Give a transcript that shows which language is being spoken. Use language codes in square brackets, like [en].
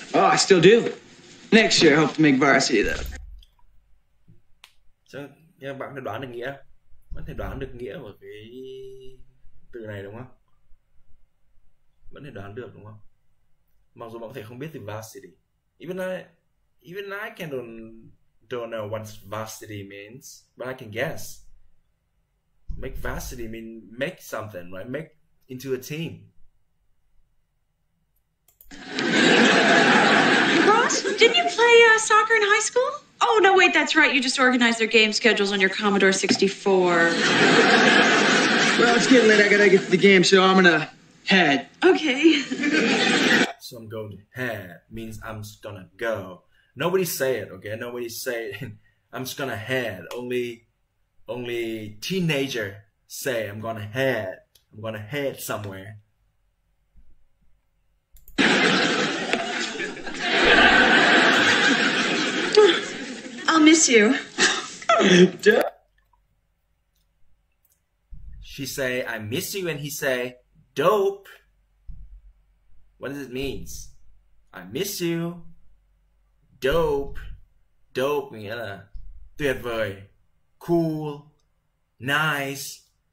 [en] Oh, I still do. Next year, I hope to make varsity though. [vi] Chắc các bạn có đoán được nghĩa, vẫn thể đoán được nghĩa của cái từ này đúng không? Vẫn thể đoán được đúng không? Mặc dù bạn có thể không biết từ varsity. [en] Even I can don't know what varsity means, but I can guess. Make varsity mean make something, right? Make into a team. Ross, didn't you play soccer in high school? Oh, no, wait, that's right. You just organized their game schedules on your Commodore 64. Well, it's getting late. I gotta get to the game, so I'm gonna head. Okay. So I'm going to head means I'm just gonna go. Nobody say it, okay? Nobody say it. I'm just gonna head. Only teenager say I'm gonna head. I'm gonna head somewhere. I'll miss you. She say I miss you, and he say dope. What does it mean? I miss you. [vi] Dope nghĩa là tuyệt vời, [en] cool, nice.